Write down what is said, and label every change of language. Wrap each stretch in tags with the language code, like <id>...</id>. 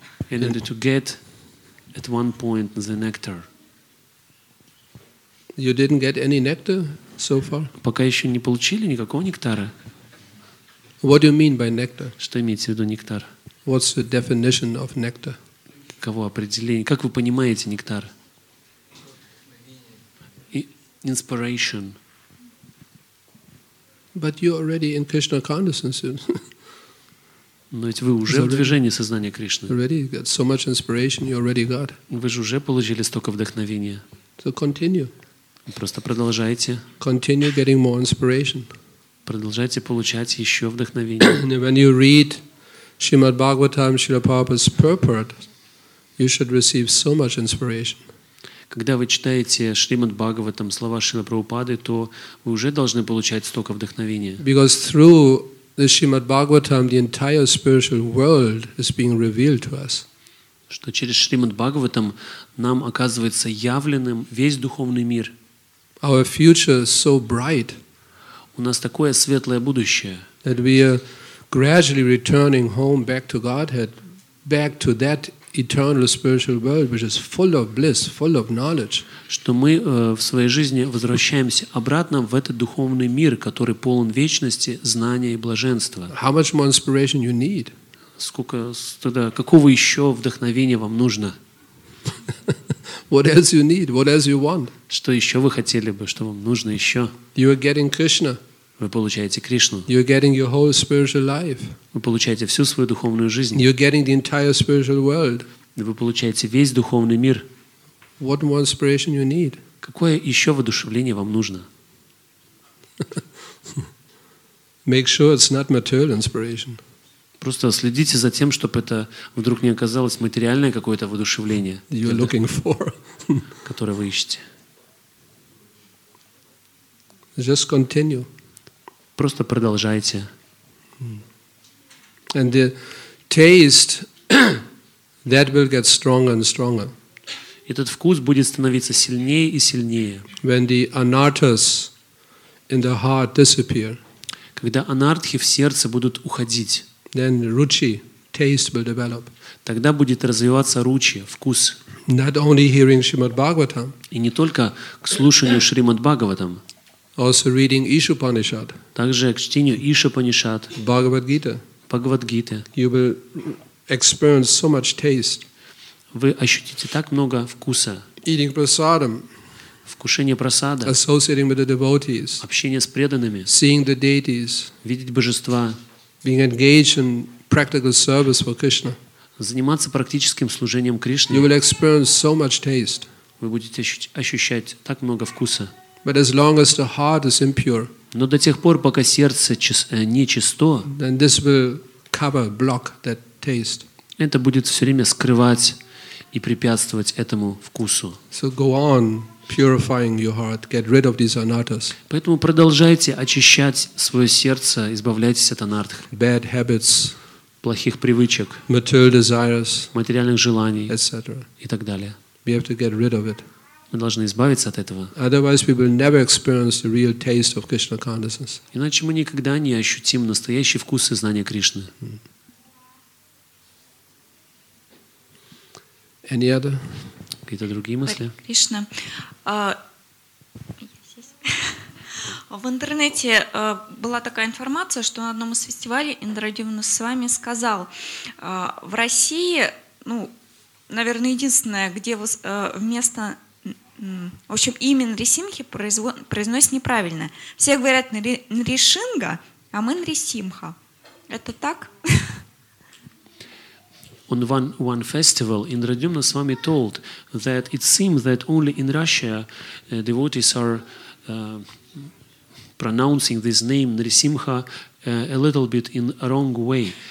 <en>In order to get at one point the nectar. You didn't get any nectar so far?</en> <ru>Пока еще не получили никакого нектара.</ru> <en>What do you mean by nectar?</en> <ru>Что имеется в виду нектар?</ru> <en>What's the definition of nectar?</en> <ru>Каково определение? Как вы понимаете нектар?</ru> <en>Inspiration. But you're already in Krishna consciousness.</en> <ru>Но ведь вы уже в движении сознания Кришны.</ru> <en>Already got so much inspiration, you already got.</en> <ru>Вы же уже получили столько вдохновения.</ru> <en>So continue.</en> <ru>Просто продолжайте.</ru> <en>Continue getting more inspiration.</en> <ru>Продолжайте получать еще вдохновение.</ru> <en>And when you read Srimad Bhagavatam, Srila Prabhupada's purport, you should receive so much inspiration.</en> <ru>Когда вы читаете Шримад Бхагаватам, слова Шрила Прабхупады, то вы уже должны получать столько вдохновения.</ru> <en>Because through the Shrimad Bhagavatam the entire spiritual world is being revealed to us.</en> <ru>Что через Шримад Бхагаватам нам оказывается явленным весь духовный мир.</ru> <en>Our future is so bright.</en> <ru>У нас такое светлое будущее.</ru> <en>That we are gradually returning home back to Godhead, back to that eternal spiritual world, which is full of bliss, full of knowledge.</en> <ru>Что мы в своей жизни возвращаемся обратно в этот духовный мир, который полон вечности, знания и блаженства.</ru> <en>How much more inspiration you need?</en> <ru>Сколько тогда, какого еще вдохновения вам нужно?</ru> <en>What else you need? What else you want?</en> <ru>Что еще вы хотели бы? Что вам нужно еще?</ru> <en>You are getting Krishna.</en> <ru>Вы получаете Кришну.</ru> <en>You're getting your whole spiritual life.</en> <ru>Вы получаете всю свою духовную жизнь.</ru> <en>You're getting the entire spiritual world.</en> <ru>Вы получаете весь духовный мир.</ru> <en>What more inspiration you need?</en> <ru>Какое еще воодушевление вам нужно?</ru> <en>Make sure it's not material inspiration.</en> <ru>Просто следите за тем, чтобы это вдруг не оказалось материальное какое-то воодушевление,</ru> <en>you're looking for.</en> <ru>Которое вы ищете.</ru> <en>Just continue.</en> <ru>Просто продолжайте.</ru> <en>And the taste that will get stronger and stronger.</en> <ru>Этот вкус будет становиться сильнее и сильнее.</ru> <en>When the anarthas in the heart disappear.</en> <ru>Когда анартхи в сердце будут уходить.</ru> <en>Then ruchi, taste will develop.</en> <ru>Тогда будет развиваться ruchi, вкус.</ru> <en>Not only hearing Shrimad Bhagavatam.</en> <ru>И не только к слушанию Шримад Бхагаватам.</ru> <en>Also reading Ishupanishad.</en> <ru>Также к чтению Ишупанишад. Бхагавад-гита. Бхагавад-гита.</ru> <en>You will experience so much taste.</en> <ru>Вы ощутите так много вкуса.</ru> <en>Eating prasadam.</en> <ru>Вкушение прасада.</ru> <en>Associating with the devotees.</en> <ru>Общение с преданными.</ru> <en>Seeing the deities.</en> <ru>Видеть божества.</ru> <en>Being engaged in practical service for Krishna.</en> <ru>Заниматься практическим служением Кришне.</ru> <en>You will experience so much taste.</en> <ru>Вы будете ощущать так много вкуса.</ru> <en>But as long as the heart is impure,</en> <ru>но до тех пор, пока сердце нечисто,</ru> <en>then this will cover, block that taste.</en> <ru>Это будет все время скрывать и препятствовать этому вкусу.</ru> <en>So go on purifying your heart, get rid of these anarthas.</en> <ru>Поэтому продолжайте очищать свое сердце, избавляйтесь от анартх.</ru> <en>Bad habits,</en> <ru>плохих привычек,</ru> <en>material desires,</en> <ru>материальных желаний,</ru> <en>etc.</en> <ru>И так далее.</ru> <en>We have to get rid of it.</en> <ru>Мы должны избавиться от этого.</ru> <en>Otherwise, we will never experience the real taste of Krishna consciousness.</en> <ru>Иначе мы никогда не ощутим настоящий вкус и знание Кришны.</ru> <en>Any other?</en> <ru>Какие-то другие мысли? Кришна. В интернете была такая информация, что на одном из фестивалей Индра Дивана с вами сказал, в России, ну, наверное, единственное, где вместо... В общем, имя Нрисимхи произносит неправильно. Все говорят Нришинга, а мы Нрисимха. Это так?</ru> <en>On one festival, Indra Dyumna Swami told that it seems that only in Russia devotees are pronouncing this name Нрисимха a little bit in a wrong way.</en>